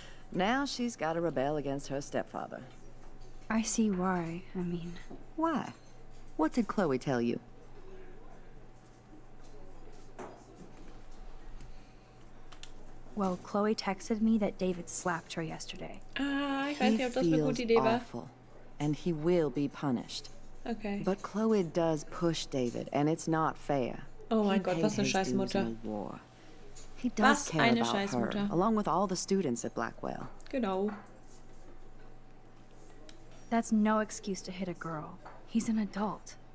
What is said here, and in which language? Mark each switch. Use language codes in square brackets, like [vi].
[en] Now she's got to rebel against her stepfather. I see why. I mean, why? What did Chloe tell you? Well, Chloe texted me that David slapped her yesterday. [de] Ich weiß nicht, ob das eine gute Idee war. [en] And he will be punished. Okay. But Chloe does push David, and it's not fair. [de] Oh mein Gott, was eine Scheißmutter. [en] He does care about her, along with all the students at Blackwell. [de] Genau. [en] That's no excuse to hit a girl. He's an adult.